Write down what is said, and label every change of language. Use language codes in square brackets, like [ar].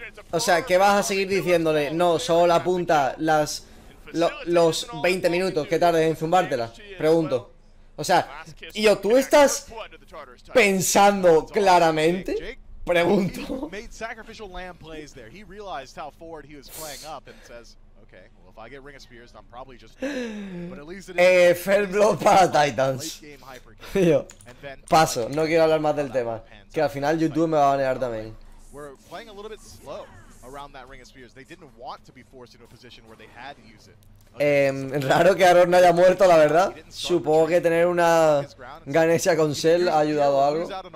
[es] O sea, ¿qué vas a seguir diciéndole? No, solo la punta, los 20 minutos que tardes en zumbártela, pregunto. O sea, y yo, ¿tú estás pensando claramente? Pregunto. [en] Made sacrificial lamb plays there. He realized how forward he was playing up and says, okay, well, if I get Ring of Spears, I'm probably just. But at least it is. Fair blow para Titans. [es] Yo, paso. No quiero hablar más del tema. Que al final YouTube me va a banear también. [en] We're playing a little bit slow around that Ring of Spears. They didn't want to be forced into a position where they had to use it. [es] Raro que Aaron no haya muerto, la verdad. Supongo que tener una Ganesha con Cell ha ayudado algo.